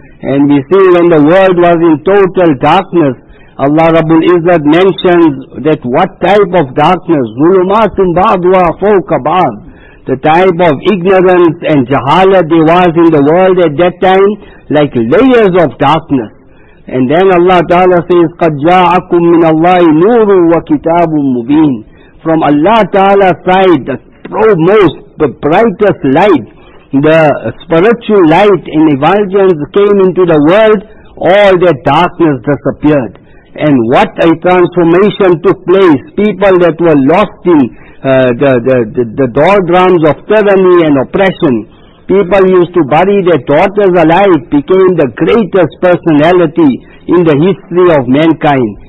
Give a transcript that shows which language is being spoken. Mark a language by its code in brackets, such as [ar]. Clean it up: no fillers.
[en] And we see when the world was in total darkness, Allah Rabbul Izzat mentions that what type of darkness, [ar] zulumatun ba'dha fawqa ba'd, [en] the type of ignorance and jahalat there was in the world at that time, like layers of darkness. And then Allah Ta'ala says, [ar] قَدْ جَاءَكُمْ مِنَ اللَّهِ نُورٌ وَكِتَابٌ مُبِينٌ. [en] From Allah Ta'ala's side, the most, the brightest light, the spiritual light and evulgence came into the world, all that darkness disappeared. And what a transformation took place. People that were lost in the doldrums of tyranny and oppression, people used to bury their daughters alive, became the greatest personality in the history of mankind.